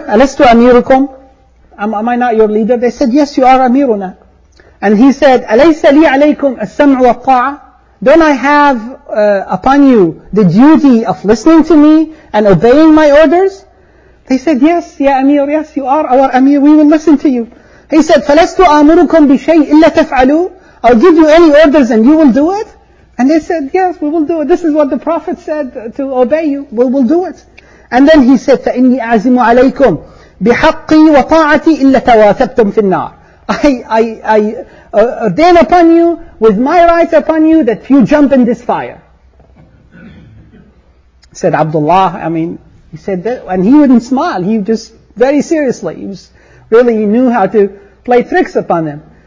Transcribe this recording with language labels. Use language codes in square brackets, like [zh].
[ar] Alastu amirukum? [en] Am I not your leader? They said, yes, you are amiruna. And he said, [ar] alaysa li alaykum as-sam'u wa-ta'a? [en] Don't I have upon you the duty of listening to me and obeying my orders? They said, yes, ya amir, yes, you are our amir. We will listen to you. He said, [ar] فَلَسْتُ أَمُرُكُمْ بِشَيْءٍ إِلَّا تَفْعَلُوا. [en] I'll give you any orders and you will do it. And they said, yes, we will do it. This is what the Prophet said to obey you. We will do it. And then he said, [ar] فَإِنِّي أَعْزِمُ عَلَيْكُمْ بِحَقِّي وَطَاعَتِي إِلَّا تَوَاثَبْتُمْ فِي النَّارِ. [en] I ordain upon you with my rights upon you that you jump in this fire. Said Abdullah, I mean, he said that, and he wouldn't smile. He just, very seriously, he was, really, he knew how to play tricks upon them.